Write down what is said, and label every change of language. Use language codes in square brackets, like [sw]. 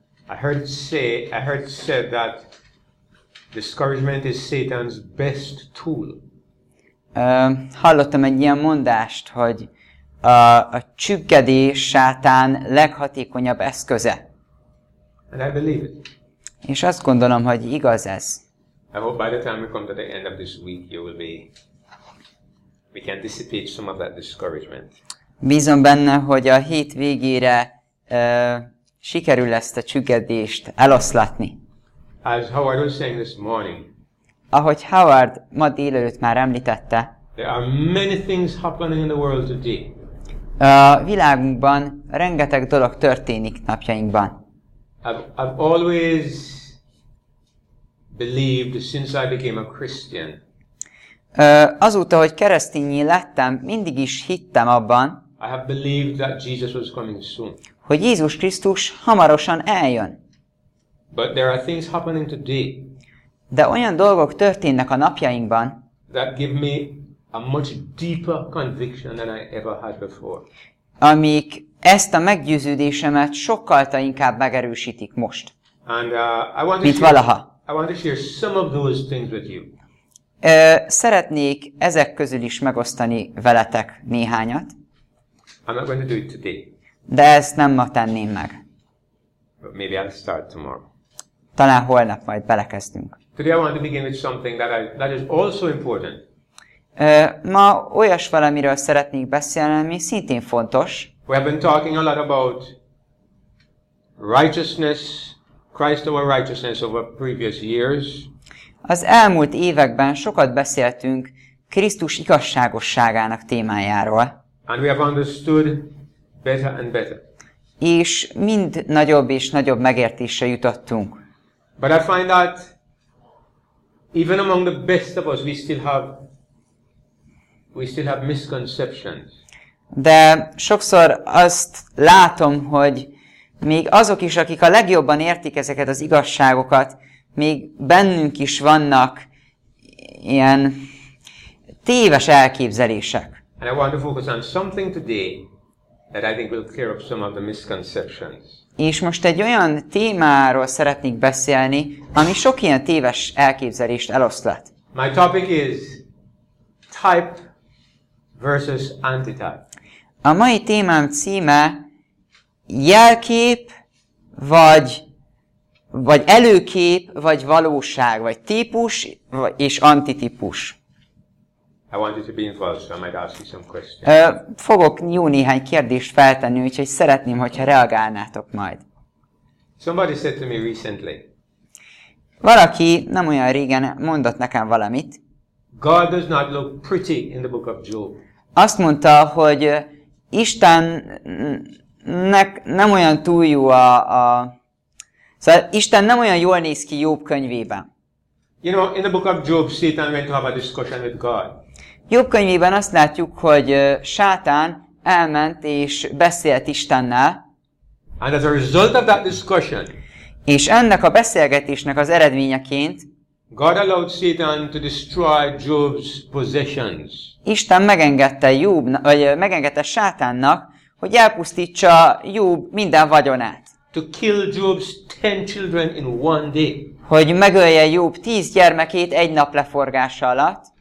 [en] I heard said that discouragement is Satan's best tool. [hu] Hallottam egy ilyen mondást, hogy a csüggedés Sátán leghatékonyabb eszköze. [en] And I believe it. [hu] És azt gondolom, hogy igaz ez. [en] I hope by the time we come to the end of this week, we can dissipate some of that discouragement. [hu] Bízom benne, hogy a hét végére sikerül ezt a csüggedést eloszlatni. [en] As Howard was saying this morning. [hu] Ahogy Howard ma délelőtt már említette. [en] There are many things happening in the world today. [hu] A világunkban rengeteg dolog történik napjainkban. [en] I've always believed since I became a Christian. [hu] Azóta, hogy keresztényé lettem, mindig is hittem abban. [en] I have believed that Jesus was coming soon. [hu] Hogy Jézus Krisztus hamarosan eljön. [en] But there are things happening today. [hu] De olyan dolgok történnek a napjainkban. [en] That give me a much deeper conviction than I ever had before. [hu] Amik ezt a meggyőződésemet sokkal inkább megerősítik most. [en] And I want to share some of those things with you. [hu] Szeretnék ezek közül is megosztani veletek néhányat. [en] I'm not going to do it today. [hu] De ezt nem ma tenném meg. [en] But maybe I'll start tomorrow. [hu] Talán holnap majd belekezdünk. [en] Today I want to begin with something that is also important. [hu] Ma olyas valamiről szeretnék beszélni, ami szintén fontos. [en] We have been talking a lot about righteousness, Christ our righteousness over previous years. [hu] Az elmúlt években sokat beszéltünk Krisztus igazságosságának témájáról. [en] And we have understood better and better. [hu] És mind nagyobb és nagyobb megértésre jutottunk. [en] But I find that even among the best of us, we still have misconceptions. [hu] De sokszor azt látom, hogy még azok is, akik a legjobban értik ezeket az igazságokat, még bennünk is vannak ilyen téves elképzelések. [en] And I want to focus on something today that I think will clear up some of the misconceptions. [hu] És most egy olyan témáról szeretnék beszélni, ami sok ilyen téves elképzelést eloszlat. [en] My topic is type versus antitype. [hu] A mai témám címe jelkép, vagy előkép, vagy valóság, vagy típus, és antitípus. [en] I want you to be involved, so I might ask you some questions. [hu] Fogok jó néhány kérdést feltenni, úgyhogy szeretném, hogyha reagálnátok majd. [en] Somebody said to me recently. [hu] Valaki nem olyan régen mondott nekem valamit. [en] God does not look pretty in the book of Job. [hu] Azt mondta, hogy Istennek nem olyan túl jó szóval Isten nem olyan jól néz ki Job könyvében. [en] You know, in the book of Job, Satan went to have a discussion with God. [hu] Jobb könyvében azt látjuk, hogy Sátán elment és beszélt Istennel. [en] And as a result of that discussion, [hu] és ennek a beszélgetésnek az eredményeként [en] God allowed Satan to destroy Job's possessions. [hu] Isten megengedte Sátánnak, hogy elpusztítsa Job minden vagyonát. [en] To kill Job's 10 children in one day. [hu] Hogy megölje Job 10 gyermekét egy nap leforgása alatt.